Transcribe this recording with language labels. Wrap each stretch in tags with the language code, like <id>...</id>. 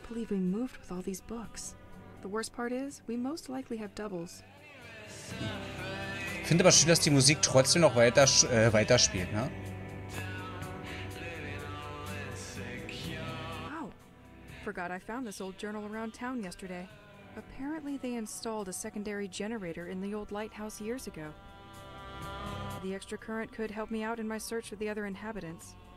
<en>We moved with all these books. The worst part is, we most likely have doubles.</en> <de>Ich finde aber schön, dass die Musik trotzdem noch weiter weiterspielt, ne? Wow.</de> <en>Forgot I found this old journal around town yesterday. Apparently they installed a secondary generator in the old lighthouse years ago. The extra current could help me out in my search for the other inhabitants.</en>